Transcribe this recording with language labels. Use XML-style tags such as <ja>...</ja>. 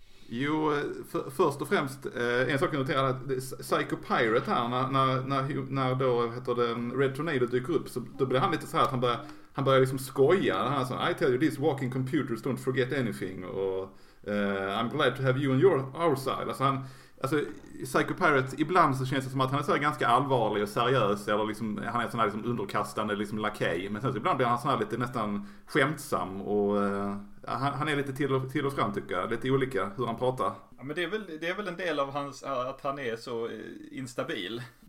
<sv>Jo, först och främst en sak jag noterar är att Psycho Pirate här, när då heter den Red Tornado dyker upp, så då blir han lite så här att han börjar liksom skoja. Han sa,</sv> <en>I tell you this, walking computers don't forget anything, och I'm glad to have you on our side.</en> <sv>Alltså, Psycho Pirate, ibland så känns det som att han är så här ganska allvarlig och seriös, eller liksom, han är sån här liksom underkastande liksom lakej, men sen så ibland blir han sån här lite nästan skämtsam, och han är lite till och fram, tycker jag. Lite olika hur han pratar. Ja, men det är väl en del av hans, att han är så instabil.</sv>